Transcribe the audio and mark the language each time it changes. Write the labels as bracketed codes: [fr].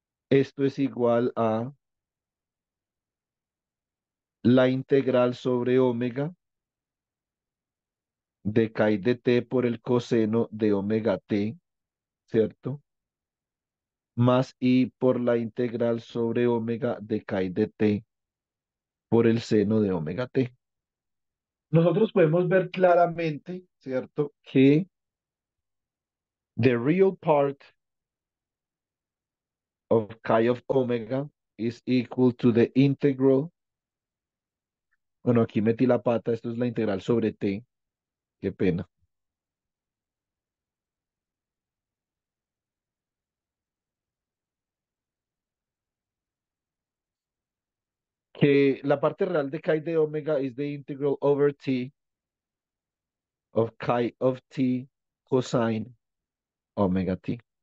[es] Esto es igual a la integral sobre omega de chi de t por el coseno de omega t, ¿cierto? Más i por la integral sobre omega de chi de t por el seno de omega t. Nosotros podemos ver claramente, ¿cierto? [en] Que the real part of chi of omega is equal to the integral. [es] Bueno, aquí metí la pata, esto es la integral sobre t. Qué pena. Que la parte real de chi de omega [en] is the integral over t of chi of t cosine omega t.